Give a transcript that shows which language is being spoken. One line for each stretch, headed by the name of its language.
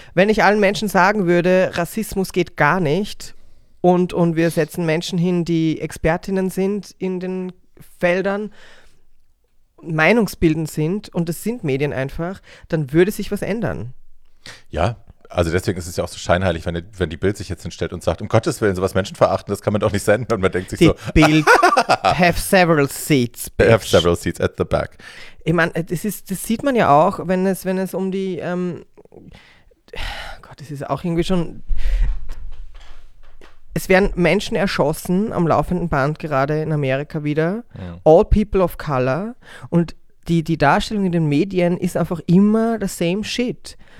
German: Wenn ich allen Menschen sagen würde, Rassismus geht gar nicht und wir setzen Menschen hin, die Expertinnen sind in den Feldern, meinungsbildend sind und das sind Medien einfach, dann würde sich was ändern. Ja. Also deswegen ist es ja auch so scheinheilig, wenn die Bild sich jetzt hinstellt und sagt, um Gottes Willen, sowas menschenverachtend, das kann man doch nicht senden. Und man denkt sich die so.
English: Die Bild have several seats, bitch. Have several seats at the back.
German: Ich meine, das sieht man ja auch, wenn es um die, Gott, das ist auch irgendwie schon, es werden Menschen erschossen am laufenden Band, gerade in Amerika wieder,
English: all people of color,
German: und die Darstellung in den Medien ist einfach immer
English: the same shit.